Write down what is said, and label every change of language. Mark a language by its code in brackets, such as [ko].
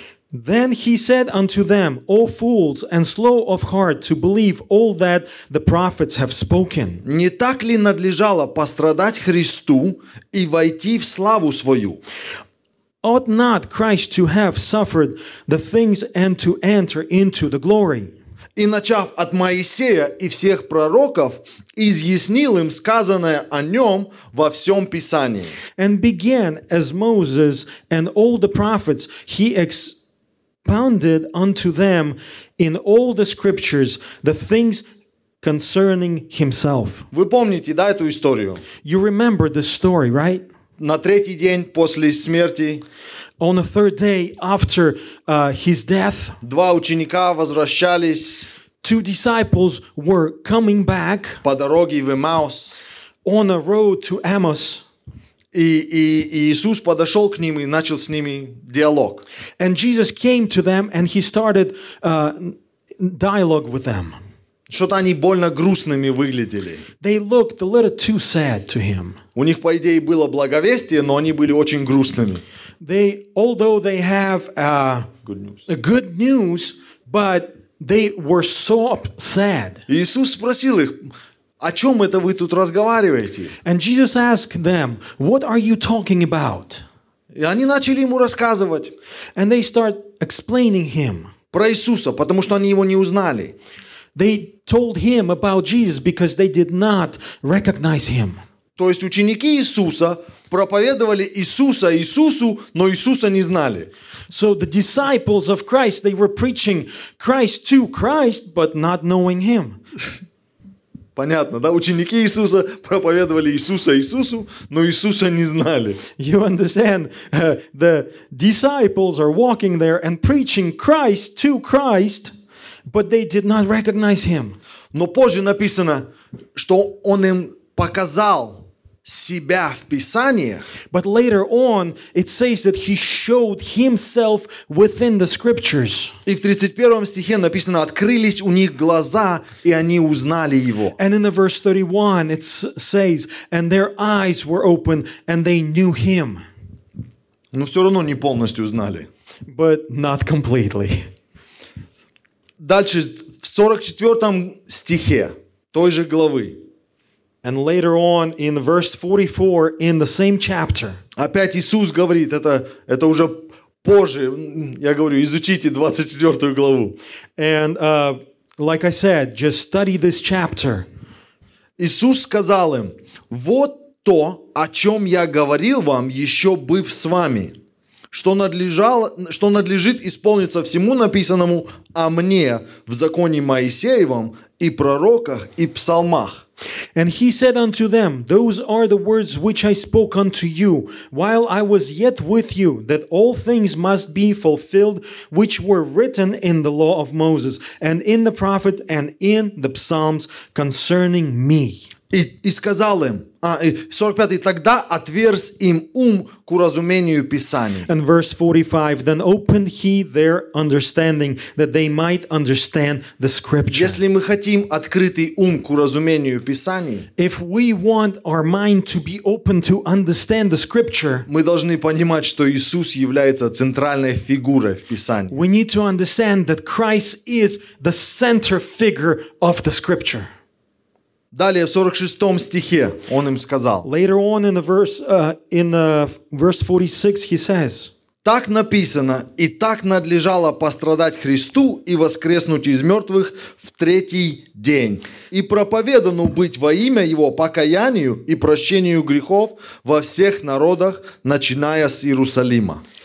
[en] Then he said unto them, O fools and slow of heart, to believe all that the prophets have spoken. [ru] Не так ли надлежало пострадать Христу и войти в славу свою? [en] Ought not Christ to have suffered the things and to enter into the glory? [ru] И начав от Моисея и всех пророков, изъяснил им сказанное о нем во всем Писании. [en] And began as Moses and all the prophets, he expounded unto them in all the scriptures the things concerning himself. [ru] Вы помните, да, эту историю? [en] You remember the story, right? [ru] На третий день после смерти. [en] On the third day after his death. [ru] Два ученика возвращались. [en] Two disciples were coming back. [ru] По дороге в Эммаус. [en] On the road to Emmaus. [ru] И Иисус подошел к ним и начал с ними диалог. [en] And Jesus came to them and he started dialogue with them. [ru] Что-то они больно грустными выглядели. [en] They looked a little too sad to him. [ru] У них, по идее, было благовестие, но они были очень грустными. [en] They, although they have good news, but they were so sad. [ru] Иисус спросил их, о чем это вы тут разговариваете? [en] And Jesus asked them, what are you talking about? [ru] И они начали ему рассказывать. [en] And they start explaining him. [ru] Про Иисуса, потому что они его не узнали. [en] They told him about Jesus because they did not recognize him. [ru] То есть ученики Иисуса проповедовали Иисуса Иисусу, но Иисуса не знали. [en] So the disciples of Christ, they were preaching Christ to Christ, but not knowing him. [ru] Понятно, да? Ученики Иисуса проповедовали Иисуса Иисусу, но Иисуса не знали. [en] You understand? The disciples are walking there and preaching Christ to Christ, but they did not recognize him. [ru] Но позже написано, что он им показал себя в Писании. [en] But later on, it says that he showed himself within the scriptures. [ru] И в 31 стихе написано, открылись у них глаза, и они узнали его. [en] And in the verse 31, it says, and their eyes were open, and they knew him. [ru] Но все равно не полностью узнали. [en] But not completely. [ru] Дальше, в 44 стихе той же главы. [en] And later on, in verse 44, in the same chapter. [ru] Опять Иисус говорит, это уже позже, я говорю, изучите 24 главу. [en] And like I said, just study this chapter. [ru] Иисус сказал им, вот то, о чем я говорил вам, еще быв с вами. Что надлежит исполниться всему написанному о мне в законе Моисеевом и пророках и псалмах. [en] And he said unto them, those are the words which I spoke unto you while I was yet with you, that all things must be fulfilled which were written in the law of Moses and in the prophet and in the psalms concerning me. [ru] И сказал им, 45-й, тогда отверз им ум к уразумению Писания. [en] And verse 45, then opened he their understanding, that they might understand the scripture. [ru] Если мы хотим открытый ум к уразумению Писания, [en] if we want our mind to be open to understand the scripture, [ru] мы должны понимать, что Иисус является центральной фигурой в Писании. [en] We need to understand that Christ is the center figure of the scripture. [ru] Далее, в 46 стихе, он им сказал. [en] Later on in the verse, verse 46, he says, [ru] так написано, и так надлежало пострадать Христу и воскреснуть из мертвых в третий день, и проповедано быть во имя Его покаянию и прощению грехов во всех народах, начиная с Иерусалима.